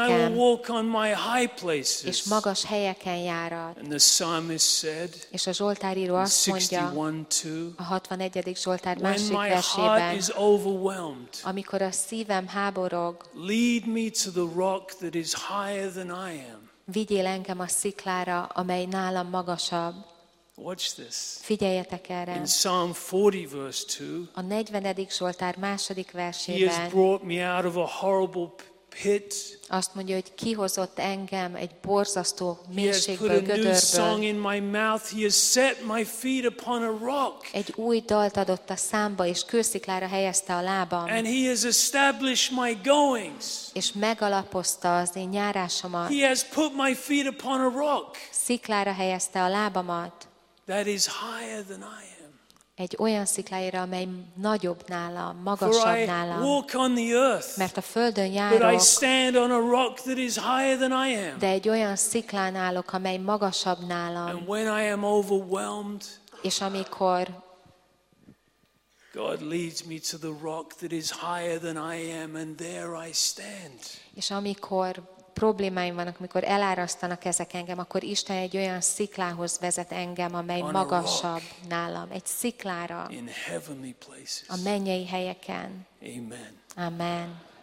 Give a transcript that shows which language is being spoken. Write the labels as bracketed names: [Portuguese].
[English] And I will walk on my high places. [Hungarian] És magas helyeken járat. [English] And the psalmist said. [Hungarian] És a Zsoltárírő azt mondja. [English] 61:2. [Hungarian] A 61. Zsoltár [English] when [Hungarian] másik [English] my [Hungarian] versében. [English] Heart is overwhelmed. [Hungarian] Amikor a szívem háborog. [English] Lead me to the rock that is higher than I am. [Hungarian] Vigyél engem a sziklára, amely nálam magasabb. [English] Watch this. [Hungarian] Figyeljetek erre. [English] In Psalm 40 verse 2. [Hungarian] A 40. Zsoltár második versében. [English] He has brought me out of a horrible pit. [Hungarian] Azt mondja, hogy kihozott engem egy borzasztó mélységből, gödörből. [English] He has put a new song in my mouth. He has set my feet upon a rock. [Hungarian] Egy új dalt adott a számba, és kősziklára helyezte a lábam. [English] And he has established my goings. [Hungarian] És megalapozta az én nyárásomat. [English] He has put my feet upon a rock. [Hungarian] Sziklára helyezte a lábamat. [English] That is higher than I am. [Hungarian] Egy olyan sziklájára, amely nagyobb nálam, magasabb nálam. [English] For I walk on the earth, [Hungarian] mert a földön járok. [English] But I stand on a rock that is higher than I am. [Hungarian] De egy olyan sziklán állok, amely magasabb nálam. [English] And when I am overwhelmed, [Hungarian] és amikor [English] God leads me to the rock that is higher than I am, and there I stand. [Hungarian] És amikor problémáim vannak, amikor elárasztanak ezek engem, akkor Isten egy olyan sziklához vezet engem, amely magasabb nálam. Egy sziklára. A mennyei helyeken. [English] Amen. [Hungarian] Amen.